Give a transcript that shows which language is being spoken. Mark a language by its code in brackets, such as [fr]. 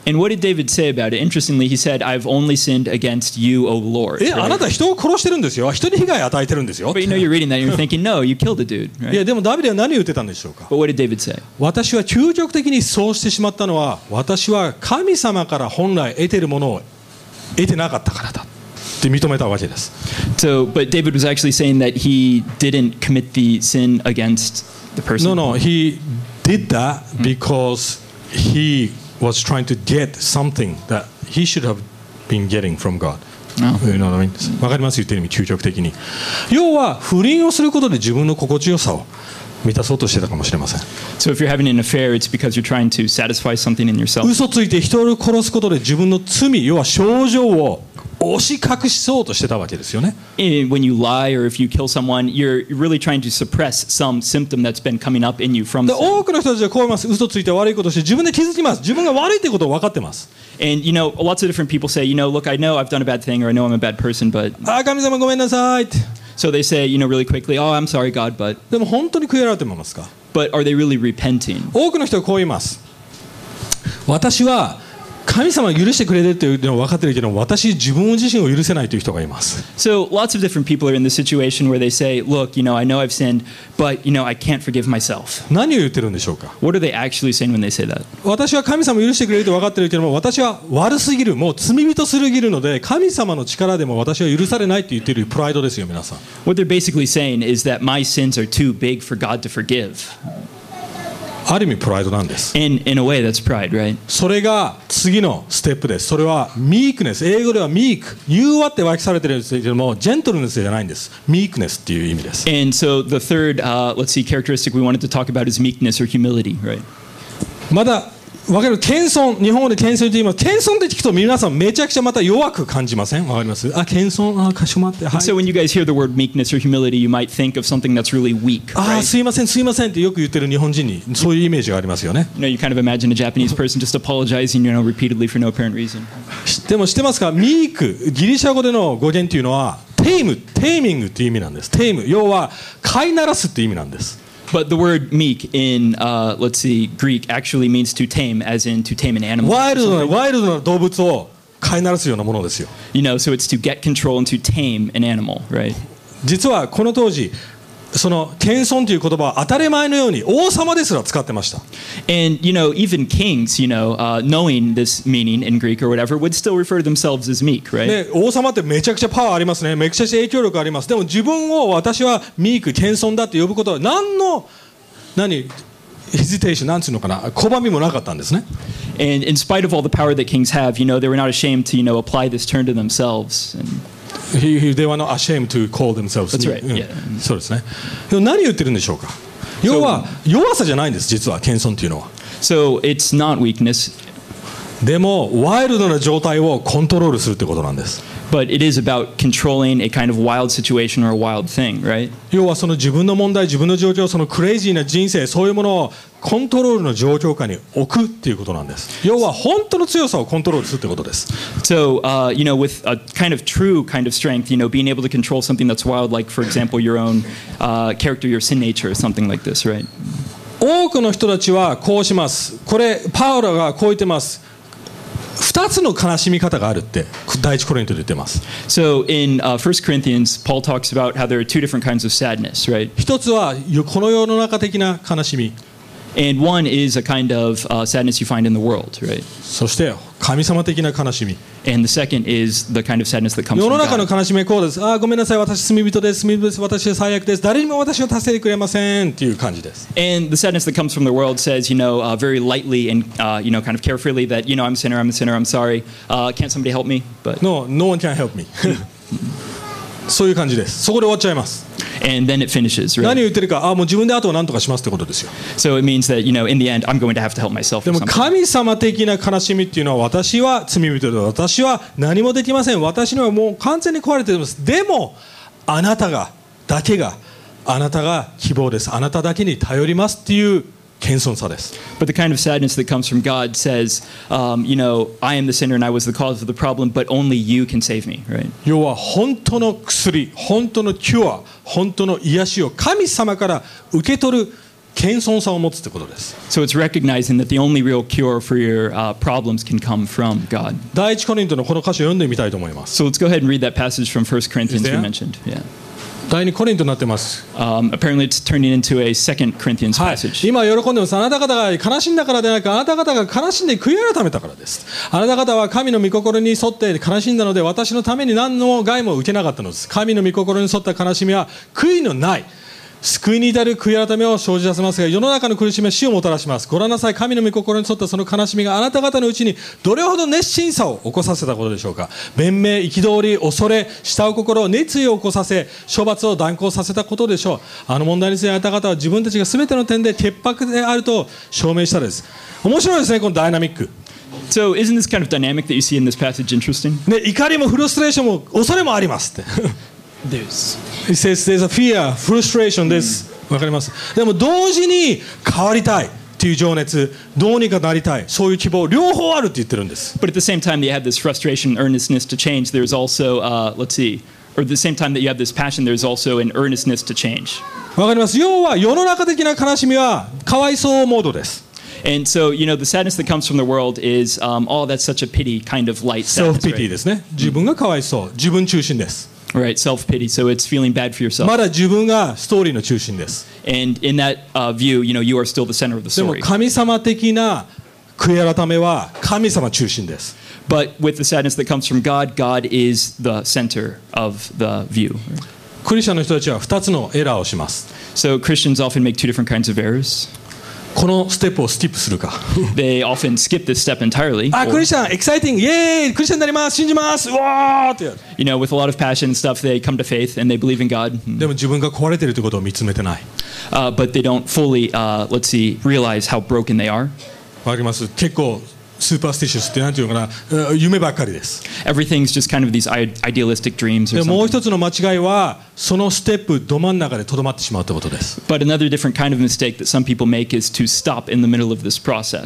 [en] And what did David say about it? Interestingly, he said, I've only sinned against you, O Lord. [ja] あなた人を殺してるんですよ。人に被害与えてるんですよ。 [en] But you know, you're reading that, you're thinking, no, you killed a dude, right? [ja] いや、でもダビデは何を言ってたんでしょうか? [en] But what did David say? [ja] 私は究極的にそうしてしまったのは、私は神様から本来得てるものを得てなかったからだ。 [en] So, but David was actually saying that he didn't commit the sin against the person. No, he did that because he was trying to get something that he should have been getting from God. Oh. You know what I mean? [ja] わかります?言ってる意味、究極的に。要は、不倫をすることで自分の心地よさを満たそうとしてたかもしれません。 [en] So if you're having an affair, it's because you're trying to satisfy something in yourself. [ja] 嘘ついて人を殺すことで自分の罪、要は症状を押し隠しそうとしてたわけですよね。 [en] When you lie or if you kill someone, you're really trying to suppress some symptom that's been coming up in you from sin. [ja] 多くの人たちはこう言います。嘘ついて悪いことして自分で気づきます。自分が悪いということを分かってます。 [en] And you know, lots of different people say, you know, look, I know I've done a bad thing or I know I'm a bad person, but [ja] 神様ごめんなさい。 [en] So they say, you know, really quickly, oh, I'm sorry, God, but [ja] でも本当に悔い改めますか。 [en] But are they really repenting? [ja] 多くの人はこう言います。私は神様許してくれてるというのは分かってるけど、私自分自身を許せないという人がいます。 [en] So lots of different people are in the situation where they say, look, you know, I know I've sinned, but you know, I can't forgive myself. [ja] 何を言ってるんでしょうか? [en] What are they actually saying when they say that? [ja] 私は神様許してくれると分かってるけども、私は悪すぎる、もう罪人すぎるので、神様の力でも私は許されないと言ってるプライドですよ、皆さん。 [en] What they're basically saying is that my sins are too big for God to forgive. [ja] ある意味プライドなんです。 [en] In a way, that's pride, right? [ja] それが次のステップです。それはミークネス。英語ではミーク。柔和って訳されてるんですけども、ジェントルネスじゃないんです。ミークネスっていう意味です。 [en] And so the third, let's see, characteristic we wanted to talk about is meekness or humility, right? [ja] まだ分かる謙遜、日本語で謙遜って言います。謙遜って聞くと皆さんめちゃくちゃまた弱く感じません？分かります？あ、謙遜、あ、かしこまって。 [en] So when you guys hear the word meekness or humility, you might think of something that's really weak. [ja] あ、すいません、すいませんってよく言ってる日本人にそういうイメージがありますよね。 [en] No, you kind of imagine a Japanese person just apologizing, you know, repeatedly for no apparent reason. [ja] でも知ってますか？ミーク、ギリシャ語での語源というのはテイム、テーミングっていう意味なんです。テイム、要は飼いならすっていう意味なんです。 [en] But the word meek in, let's see, Greek actually means to tame, as in to tame an animal. [ja] Wild な動物を飼いならすようなものですよ。 [en] You know, so it's to get control and to tame an animal, right? [ja] 実はこの当時、その謙遜という言葉は当たり前のように王様ですら使ってました。 [en] And, you know, even kings, you know, knowing this meaning in Greek or whatever, would still refer themselves as meek, right? [ja] ね、王様ってめちゃくちゃパワーありますね。めちゃくちゃ影響力あります。でも自分を私はミーク、謙遜だって呼ぶことは何のhesitation, なんていうのかな、拒みもなかったんですね。 [en] And in spite of all the power that kings have, you know, they were not ashamed to, you know, apply this term to themselves. And... They were not ashamed to call themselves. That's right. Yeah. [ja] そうですね。でも何言ってるんでしょうか。要は弱さじゃないんです。実は謙遜というのは。 [en] So it's not weakness. [ja] でもワイルドな状態をコントロールするってことなんです。 [en] But it is about controlling a kind of wild situation or a wild thing, right? [ja] 要はその自分の問題、自分の状況、そのクレイジーな人生、そういうものをコントロールの状況下に置くっていうことなんです。要は本当の強さをコントロールするってことです。 [en] So, you know, with a kind of true kind of strength, you know, being able to control something that's wild, like, for example, your own character, your sin nature, or something like this, right? [ja] 多くの人たちはこうします。これ、パウロがこう言ってます。 2つの悲しみ方があるって第一コリントで言ってます。 [en] So in 1 Corinthians, Paul talks about how there are two different kinds of sadness, right? [ja] 一つはこの世の中的な悲しみ。 [en] And one is a kind of sadness you find in the world, right? [ja] そして神様的な悲しみ。 [en] And the second is the kind of sadness that comes from God. [ja] 世の中の悲しみはこうです。ああ、ごめんなさい、私罪人です。罪人です。私は最悪です。誰にも私を助けてくれませんっていう感じです。 [en] And the sadness that comes from the world says, you know, very lightly and, you know, kind of carefully that, you know, I'm a sinner, I'm a sinner, I'm sorry. Can't somebody help me? But... No one can help me. [ja] そういう感じです。そこで終わっちゃいます。 [en] And then it finishes, right? [ja] 何を言ってるか、あ、もう自分で後は何とかしますってことですよ。 [en] So it means that, you know, in the end, I'm going to have to help myself. [ja] でも神様的な悲しみっていうのは、私は罪人で、私は何もできません。私にはもう完全に壊れています。でも、あなたが、だけが、あなたが希望です。あなただけに頼りますっていう謙遜さです。 [en] But the kind of sadness that comes from God says, you know, I am the sinner and I was the cause of the problem, but only you can save me, right? [ja] 要は本当の薬、本当のキュア、本当の癒しを神様から受け取る謙遜さを持つってことです。 [en] So it's recognizing that the only real cure for your problems can come from God. [ja] 第一コリントのこの箇所を読んでみたいと思います。 [en] So let's go ahead and read that passage from 1 Corinthians you mentioned. Yeah. [ja] 第二コリントになってます。 [en] Apparently it's turning into a second Corinthians passage. [ja] 今喜んでます。あなた方が悲しんだからでなく、あなた方が悲しんで悔い改めたからです。あなた方は神の御心に沿って悲しんだので、私のために何の害も受けなかったのです。神の御心に沿った悲しみは悔いのない。救いに至る悔い改めを生じさせますが、世の中の苦しみは死をもたらします。ご覧なさい、神の御心に沿ったその悲しみがあなた方のうちにどれほど熱心さを起こさせたことでしょうか。弁明、憤り、恐れ、慕う心、熱意を起こさせ、処罰を断行させたことでしょう。あの問題についてあなた方は自分たちが全ての点で潔白であると証明したです。面白いですね、このダイナミック。 [en] So isn't this kind of dynamic that you see in this passage interesting? [ja] ね、怒りもフラストレーションも恐れもありますって [en] There's. He says there's a fear, frustration. This, [ja] わかります。でも同時に変わりたいという情熱、どうにかなりたい、そういう希望、両方あるって言ってるんです。 [en] But at the same time, you have this frustration, earnestness to change. There's also, let's see, or at the same time that you have this passion, there's also an earnestness to change. [ja] わかります。要は世の中的な悲しみはかわいそうモードです。 [en] And so, you know, the sadness that comes from the world is, that's such a pity kind of light sadness. Self-pity, right? [ja] ですね。自分がかわいそう、自分中心です。 [en] Right, self-pity. So it's feeling bad for yourself. [ja] まだ自分がストーリーの中心です。 [en] And in that view, you know, you are still the center of the story. [ja] でも神様的な悔い改めは神様中心です。 [en] But with the sadness that comes from God, God is the center of the view. [ja] クリスチャンの人たちは2つのエラーをします。 [en] So Christians often make two different kinds of errors. [ja] このステップをスキップするか。 [en] They often skip this step entirely. [ja] あ、クリスチャン、 [en] exciting! Yay! [ja] クリスチャンになります、信じます、わーって。 [en] You know, with a lot of passion and stuff, they come to faith and they believe in God. [ja] でも自分が壊れてるということを見つめてない。 [en] But they don't fully, let's see, realize how broken they are. [ja] わかります。結構superstitious ってなんていうのかな、夢ばっかりです。 [en] Everything's just kind of these idealistic dreams or something. [ja] でもう一つの間違いは、そのステップど真ん中でとどまってしまうということです。 [en] But another different kind of mistake that some people make is to stop in the middle of this process.